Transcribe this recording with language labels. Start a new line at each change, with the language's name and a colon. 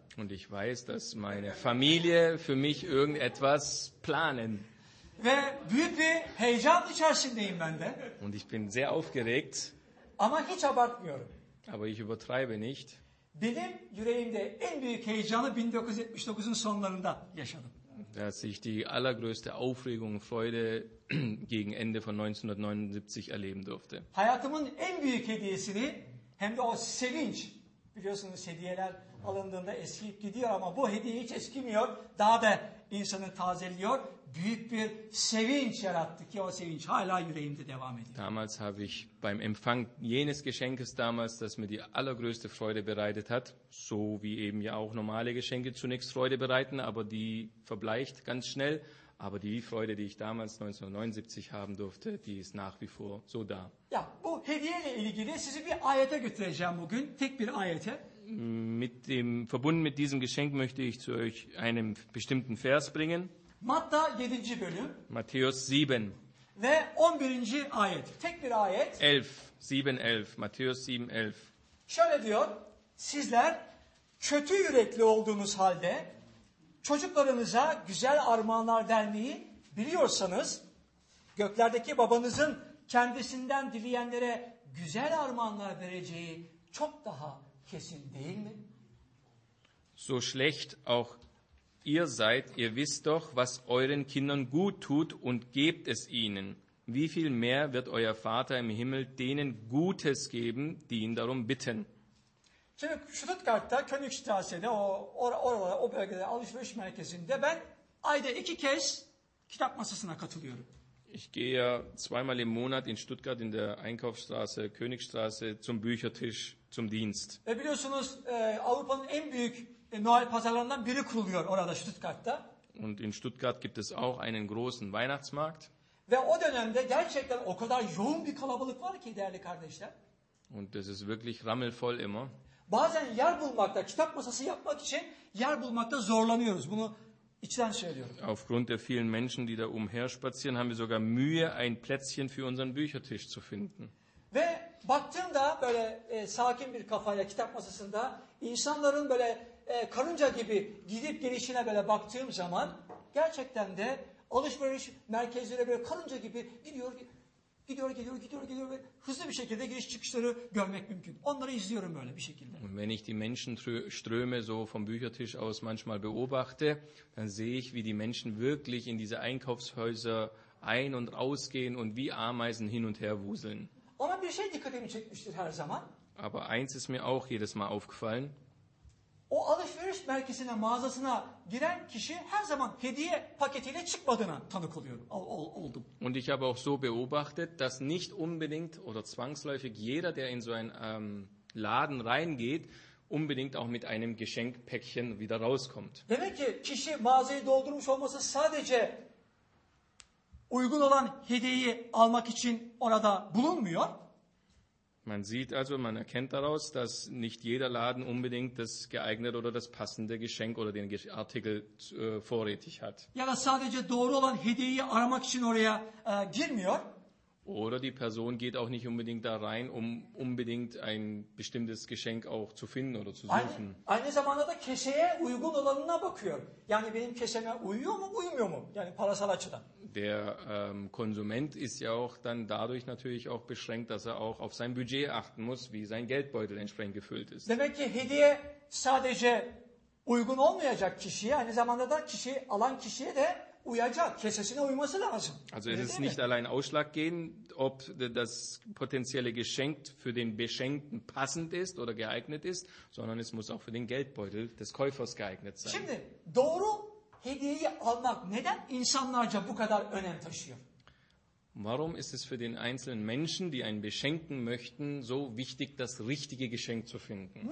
German: Und ich weiß, dass meine Familie für mich irgendetwas planen.
Turkish: Ve büyük bir heyecan içerisindeyim ben de.
German: Und ich bin sehr aufgeregt.
Turkish: Ama hiç abartmıyorum.
German: Aber ich übertreibe nicht.
Turkish: Benim yüreğimde en büyük heyecanı 1979'un sonlarında yaşadım.
German: Dass ich die allergrößte Aufregung und Freude gegen Ende von 1979 erleben durfte.
Turkish: Hayatımın en büyük hediyesini hem de o sevinç. Biliyorsunuz hediyeler alındığında eskiyip gidiyor ama bu hediye hiç eskimiyor. Daha da insanı tazeliyor. Büyük bir sevinç yarattı ki o sevinç hala yüreğimde devam ediyor.
German: Damals habe ich beim Empfang jenes Geschenkes damals, das mir die allergrößte Freude bereitet hat, so wie eben ja auch normale Geschenke zunächst Freude bereiten, aber die verbleicht ganz schnell. Aber die Freude, die ich damals 1979 haben durfte, die ist nach wie vor so da.
Turkish: Ja, bu hediyeyle ilgili sizi bir ayete götüreceğim bugün, tek bir ayete.
German: Mit dem verbunden mit diesem Geschenk möchte ich zu euch einen bestimmten Vers bringen.
Turkish: Matta 7. bölüm.
German: Matthäus 7.
Turkish: Ve 11. ayet. Tek bir ayet.
German: 7:11. Matthäus 7:11.
Turkish: Şöyle diyor: Sizler kötü yürekli olduğunuz halde çocuklarınıza güzel armağanlar vermeyi biliyorsanız, göklerdeki babanızın kendisinden dileyenlere güzel armağanlar vereceği çok daha kesin değil mi?
German: So schlecht auch ihr seid, ihr wisst doch, was euren Kindern gut tut und gebt es ihnen. Wie viel mehr wird euer Vater im Himmel denen Gutes geben, die ihn darum bitten?
Turkish: Şimdi Stuttgart'ta, Königstraße'de, o bölgede, alışveriş merkezinde ben ayda iki kez kitap masasına katılıyorum.
German: Ich gehe ja zweimal im Monat in Stuttgart in der Einkaufsstraße, Königstraße zum Büchertisch, zum Dienst.
Turkish: Ve biliyorsunuz Avrupa'nın en büyük Noel pazarlarından biri kuruluyor orada Stuttgart'ta.
German: Und in Stuttgart gibt es auch einen großen Weihnachtsmarkt.
Turkish: Ve o dönemde gerçekten o kadar yoğun bir kalabalık var ki değerli kardeşler.
German: Und es ist wirklich rammelvoll immer.
Turkish: Bazen yer bulmakta, kitap masası yapmak için yer bulmakta zorlanıyoruz. Bunu içten söylüyorum.
German: Aufgrund der vielen Menschen, die da umher spazieren, haben wir sogar Mühe, ein Plätzchen für unseren Büchertisch zu finden.
Turkish: Ve baktığımda böyle sakin bir kafayla kitap masasında insanların böyle karınca gibi gidip gelişine böyle baktığım zaman gerçekten de alışveriş merkezleri böyle karınca gibi gidiyor ve hızlı bir şekilde giriş çıkışları görmek mümkün. Onları izliyorum böyle bir şekilde.
German: Und wenn ich die Menschenströme so vom Büchertisch aus manchmal beobachte, dann sehe ich, wie die Menschen wirklich in diese Einkaufshäuser ein- und ausgehen und wie Ameisen hin und her wuseln.
Turkish: Ama bir şey dikkatimi çekmiştir her zaman.
German: Aber eins ist mir auch jedes Mal aufgefallen.
Turkish: O alışveriş merkezine, mağazasına giren kişi her zaman hediye paketiyle çıkmadığına tanık oluyorum. Oldum.
German: Und ich habe auch so beobachtet, dass nicht unbedingt oder zwangsläufig jeder, der in so einen Laden reingeht, unbedingt auch mit einem Geschenkpäckchen wieder rauskommt.
Turkish: Demek ki kişi mağazayı doldurmuş olması sadece uygun olan hediyeyi almak için orada bulunmuyor.
German: Man sieht also, man erkennt daraus, dass nicht jeder Laden unbedingt das geeignete oder das passende Geschenk oder den Artikel vorrätig hat.
Turkish: Ya da sadece doğru olan hediyeyi aramak için oraya girmiyor.
German: Oder die Person geht auch nicht unbedingt da rein, um unbedingt ein bestimmtes Geschenk auch zu finden oder zu suchen.
Turkish: Aynı zamanda da keşeye uygun olanına bakıyor. Yani benim keşeme uyuyor mu, uymuyor mu? Yani parasal açıdan.
German: Der Konsument ist ja auch dann dadurch natürlich auch beschränkt, dass er auch auf sein Budget achten muss, wie sein Geldbeutel entsprechend gefüllt ist.
Turkish: Demek ki hediye sadece uygun olmayacak kişiye, aynı zamanda da kişi alan kişiye de uyacak, kesesine uyması lazım.
German: Also es ist nicht allein ausschlaggebend, ob das potenzielle Geschenk für den Beschenkten passend ist oder geeignet ist, sondern es muss auch für den Geldbeutel des Käufers geeignet sein.
Turkish: Şimdi doğru hediyeyi almak neden insanlarca bu kadar önem taşıyor?
German: Warum ist es für den einzelnen Menschen, die einen beschenken möchten, so wichtig, das richtige Geschenk zu finden?